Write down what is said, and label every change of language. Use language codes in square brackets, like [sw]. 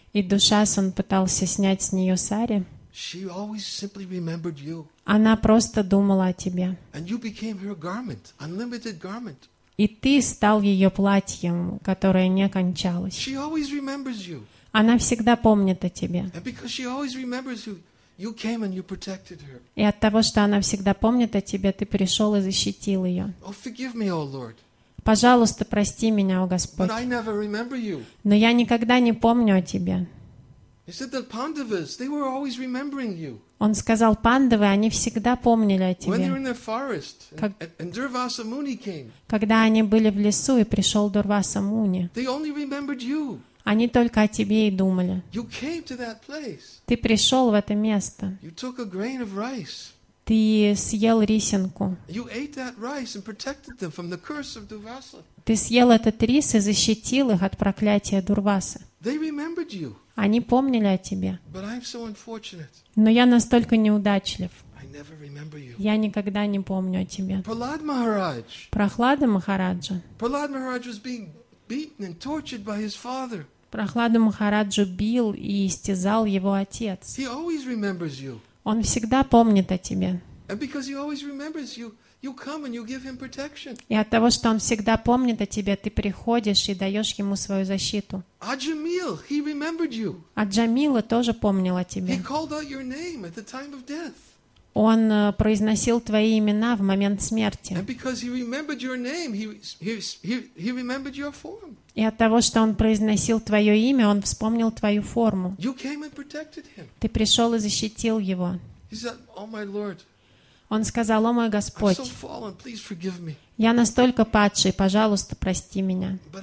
[ru] И Душасан пытался снять с нее сари. [en] She always simply remembered you. [ru] Она просто думала о тебе. [en] And you became her garment, unlimited garment. [ru] И ты стал ее платьем, которое не кончалось. [en] She always remembers you. [ru] Она всегда помнит о тебе. [en] And because she always remembers you, you came and you protected her. [ru] И от того, что она всегда помнит о тебе, ты пришел и защитил ее. [en] Oh, forgive me, O Lord. [ru] Пожалуйста, прости меня, о Господь. [en] But I never remember you. [ru] Но я никогда не помню о тебе. [en] He said the Pandavas, they were always remembering you. [ru] Он сказал, пандавы, они всегда помнили о тебе. [en] When they were in the forest, and Durvasa Muni came. [ru] Когда они были в лесу и пришел Дурваса Муни. [en] They only remembered you. [ru] Они только о тебе и думали. [en] You came to that place. [ru] Ты пришел в это место. [en] You took a grain of rice. [ru] Ты съел рисинку. [en] You ate that rice and protected them from the curse of Durvasa. [ru] Ты съел этот рис и защитил их от проклятия Дурваса. [en] They remembered you. [ru] Они помнили о тебе. [en] But I'm so unfortunate. [ru] Но я настолько неудачлив. [en] I never remember you. [ru] Я никогда не помню о тебе. [en] Prahlad Maharaj. [ru] Прохлада Махараджа. [en] Prahlad Maharaj was being beaten and tortured by his father. [ru] Прохлада Махараджа бил и истязал его отец. [en] He always remembers you. [ru] Он всегда помнит о тебе. [en] And because he always remembers you, you come and you give him protection. [ru] И от того, что он всегда помнит о тебе, ты приходишь и даешь ему свою защиту. [en] Аджамил, he remembered you. [ru] Аджамила тоже помнил о тебе. [en] He called out your name at the time of death. [ru] Он произносил твои имена в момент смерти. [en] And because he remembered your name, he remembered your form. [ru] И от того, что он произносил твое имя, он вспомнил твою форму. [en] You came and protected him. [ru] Ты пришел и защитил его. [en] He said, "Oh my Lord." [ru] Он сказал: «О мой Господь, я настолько падший, пожалуйста, прости меня.